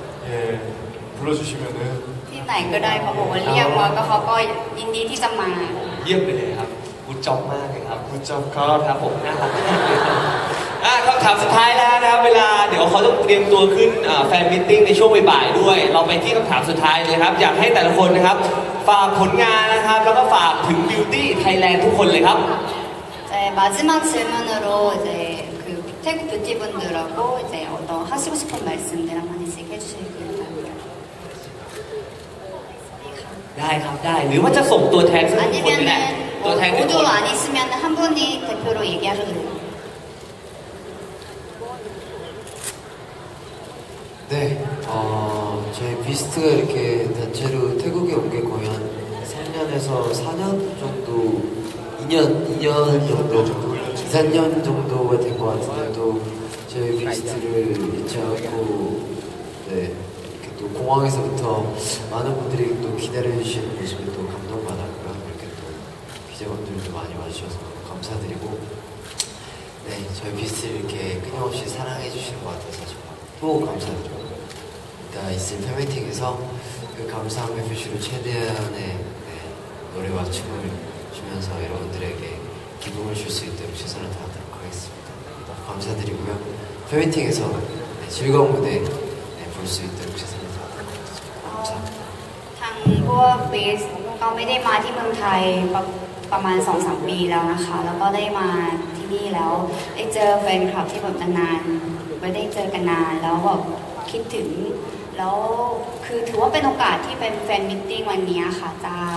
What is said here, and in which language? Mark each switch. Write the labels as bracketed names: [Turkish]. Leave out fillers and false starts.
[Korean] 아저요너무좋고요예불러주시면은 [Thai] ที่ไหนก็ได้เขาบอกว่าเรียกมาก็เขาก็ยินดีที่จะมา เยี่ยมไปเลยครับกูจ๊อบมากเลยครับ กูจ๊อบครับ ครับผมนะคำถามสุดท้ายแล้วนะครับเวลาเดี๋ยวเขาต้องเตรียมตัวขึ้นแฟนมีตติ้งในช่วงบ่ายๆด้วยเราไปที่คำถามสุดท้ายเลยครับอยากให้แต่ละคนนะครับฝากผลงานนะครับแล้วก็ฝากถึงบิวตี้ไทยแลนด์ทุกคนเลยครับ [Korean] จะ마지막 질문으로이제그태국뷰티분들하고이제어떤하시고싶은말씀들한번씩해주시길바랍니다 [Thai] ได้ครับได้หรือว่าจะส่งตัวแทนทุกคนเลยตั วแท นทุกคนโอ้ดูอันนี้สิมีหนึ่งท่านผู้นี้ [Korean] 대표로얘기하셔도돼요 네제비스트가이렇게단체로태국에온게거의한3년에서4년정도2년정도2-3년정도가된것같은데도저희비스트를잊지않고네이렇게또공항에서부터많은분들이또기다려주시는모습에또감동받았고요이렇게또기자분들도많이와주셔서감사드리고네저희비스트를이렇게끊임없이사랑해주시는것같아서정말또감사드리고다있을팬미팅에서그감사함의표시로최대한의 노래와춤을주면서여러분들에게기쁨을줄수있도록최선을다하도록하겠습니다감사드리고요팬미팅에서 즐거운 무대 볼 수 있도록최선을다하도록하겠습니다 감사합니다 당부와 비스가 [Thai] ไม่ได้มาที่เมืองไทยประมาณ 2-3 ปีแล้วนะคะแล้วก็ได้มาที่นี่แล้วได้เจอแฟนคลับที่แบบนานไม่ได้เจอกันนานแล้วแบบคิดถึงแล้วคือถือว่าเป็นโอกาสที่เป็นแฟนมีตติ้งวันนี้ค่ะจะ